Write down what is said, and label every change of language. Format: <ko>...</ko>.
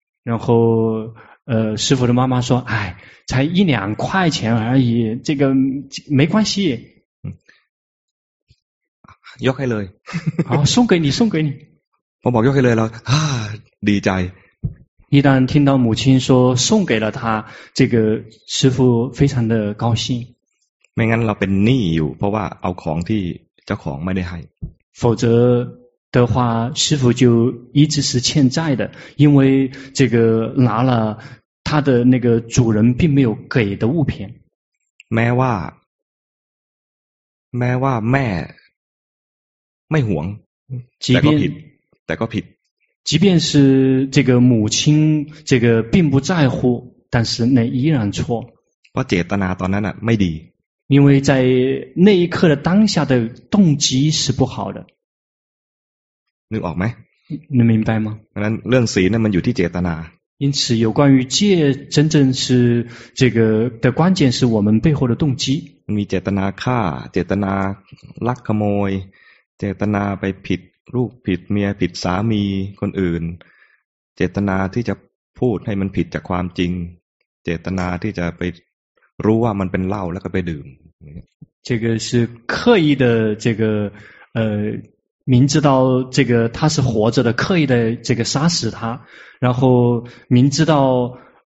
<zh>然后师父的妈妈说哎才一两块钱而已这个没关系</zh> <th>ยกให้เลย</th> <zh>好送给你送给你我</zh> <th>บอกยกให้เลยแล้วดีใจ</th> <zh>一旦听到母亲说送给了他这个师父非常的高兴</zh> <th>ไม่งั้นเราเป็นหนี้อยู่เพราะว่าเอาของที่เจ้าของไม่ได้ให้</th> <zh>否则的话师父就一直是欠债的因为这个拿了他的那个主人并没有给的物品</zh> <th>แม้ว่าแม่ไม่หวงแต่ก็ผิด</th> <zh>即便是这个母亲这个并不在乎但是那依然错</zh> <th>เพราะเจตนาตอนนั้นไม่ดี</th> <zh>因为在那一刻的当下的动机是不好的</zh> <th>นึกออกไหม</th> <zh>你明白吗</zh> <th>เพราะนั้นเรื่องศีลนั้นมันอยู่ที่เจตนา</th> <zh>因此有关于戒真正是这个的关键是我们背后的动机</zh> <th>มีเจตนาฆ่าเจตนาลักขโมยเจตนาไปผิดลูกผิดเมียผิดสามีคนอื่นเจตนาที่จะพูดให้มันผิดจากความจริงเจตนาที่จะไปรู้ว่ามันเป็นเหล้าแล้วก็ไปดื่ม</th> <zh>这个是刻意的这个明知道这个他是活着的刻意的这个杀死他然后明知道</zh>